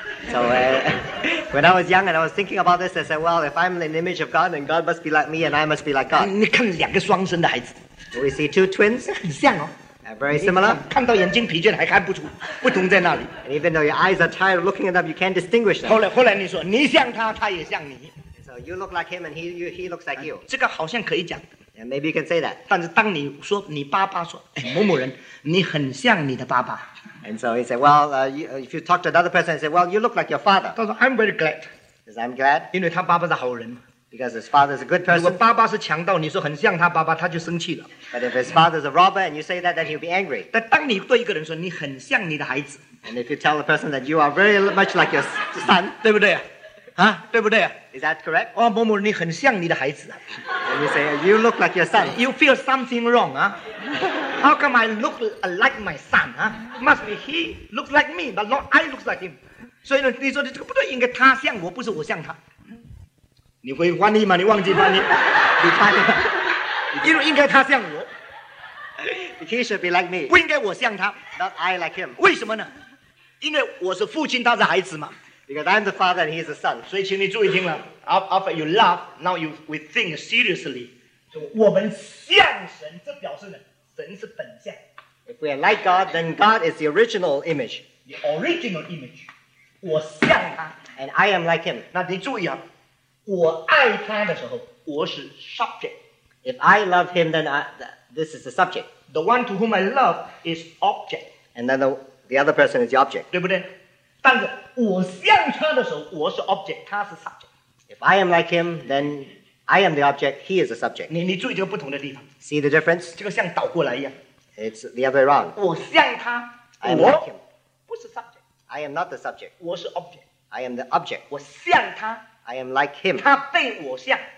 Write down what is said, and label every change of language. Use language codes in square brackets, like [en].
[en] So when I was young and I was thinking about this, I said, well, if I'm in the image of God, then God must be like me and I must be like God. [zh] 你看两个双生的孩子。 [en] Do we see two twins? [zh] 很像哦。 [en] Very similar. [zh] 看到眼睛疲倦还看不出不同在那里。 [en] And even though your eyes are tired of looking at them, you can't distinguish them. [zh] 后来你说你像他他也像你。 [en] So you look like him and he looks like you. [zh] 这个好像可以讲。 [en] And maybe you can say that. [zh] 但是当你说你爸爸说、哎、某某人你很像你的爸爸。 [en] And so he said, well, if you talk to another person, he said, well, you look like your father. [zh] 他说 [en] I'm very glad. He says, I'm glad. [zh] 因为他爸爸是好人。 [en] Because his father is a good person. [zh] 如果爸爸是强盗，你说很像他爸爸，他就生气了。 [en] But if his father is a robber and you say that, then he'll be angry. [zh] 但当你对一个人说你很像你的孩子。 [en] And if you tell a person that you are very much like your son. [zh] 对不对啊？对不对啊？ [en] Is that correct? [zh] 哦，某某，你很像你的孩子。 [en] And you say, you look like your son. You feel something wrong, huh? How come I look like my son? Huh? Must be he looks like me, but not I looks like him. [zh] 所以呢，你说的这个不对，应该他像我，不是我像他。你会翻译吗？你忘记翻译？你翻译？因为应该他像我。 [en] He should be like me. [zh] 不应该我像他。 [en] Not I like him. [zh] 为什么呢？因为我是父亲，他是孩子嘛。 [en] Because I'm the father and he's the son. [zh] 所以请你注意听了。 [en] After you laugh, now you we think seriously. [zh] 我们像神，这表示呢，神是本相。 [en] If we are like God, then God is the original image. The original image. [zh] 我像他 [en] ，and I am like him。 [zh] 那你注意啊，我爱他的时候，我是 subject。 [en] If I love him, then this is the subject. The one to whom I love is object. And then the other person is the object. [zh] 对不对？但是我像他的时候，我是 object， 他是 subject。 [en] If I am like him, then I am the object. He is the subject. [zh] 你注意这个不同的地方。 [en] See the difference？ [zh] 这个像倒过来一样。 [en] It's the other way around. [zh] 我像他， [en] I am like him， [zh] 不是 subject。 [en] I am not the subject. [zh] 我是 object. [en] I am the object. [zh] 我像他。 [en] I am like him. [zh] 他被我像。